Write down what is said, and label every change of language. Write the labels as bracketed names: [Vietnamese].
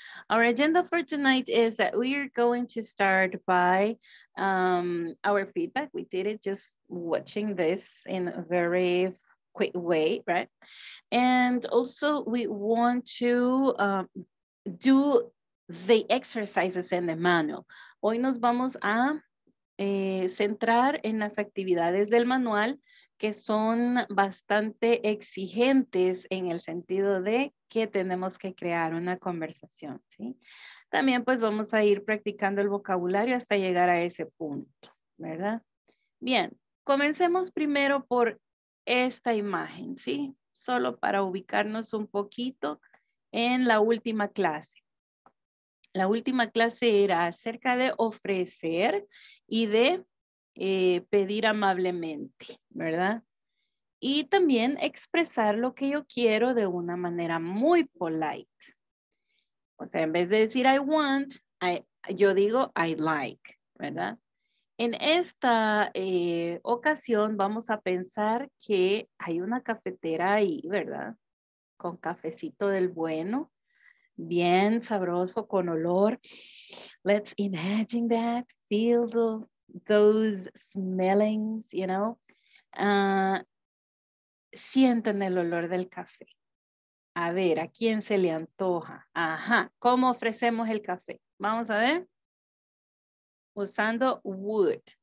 [English] Our agenda for tonight is that we are going to start by our feedback. We did it just watching this in a very quick way, right? And also we want to do the exercises in the manual. [Spanish] Hoy nos vamos a centrar en las actividades del manual que son bastante exigentes en el sentido de que tenemos que crear una conversación, ¿sí? También pues vamos a ir practicando el vocabulario hasta llegar a ese punto, ¿verdad? Bien, comencemos primero por esta imagen, ¿sí? Solo para ubicarnos un poquito. En la última clase era acerca de ofrecer y de pedir amablemente, ¿verdad? Y también expresar lo que yo quiero de una manera muy polite. O sea, en vez de decir I want, yo digo I like, ¿verdad? En esta ocasión vamos a pensar que hay una cafetera ahí, ¿verdad? Con cafecito del bueno, bien sabroso, con olor. [English] Let's imagine that, feel those smellings, you know. [Spanish] Sienten el olor del café. A ver, ¿a quién se le antoja? Ajá, ¿cómo ofrecemos el café? Vamos a ver. Usando would.